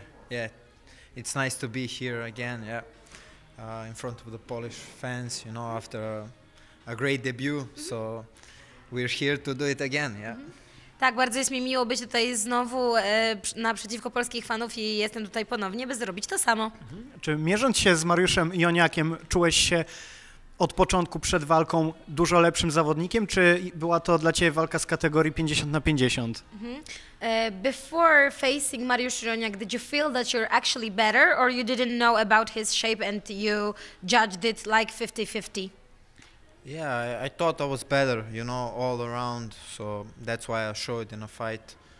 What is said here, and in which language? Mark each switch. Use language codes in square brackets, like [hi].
[en] Yeah, it's nice to be here again, yeah, in front of the Polish fans, you know, after a great debut, so we're here to do it again, yeah. Mm-hmm. [pl] Tak, bardzo jest mi miło być tutaj znowu naprzeciwko polskich fanów i jestem tutaj ponownie, by zrobić to samo. Czy mierząc się z Mariuszem Joniakiem, czułeś się od początku przed walką dużo lepszym zawodnikiem, czy była to dla Ciebie walka z kategorii 50 na 50? [en] Before facing Mariusz Joniak, did you feel that you're actually better or you didn't know about his shape and you judged it like 50-50? Yeah, I thought I was better, you know, all around, so that's why I showed in a fight.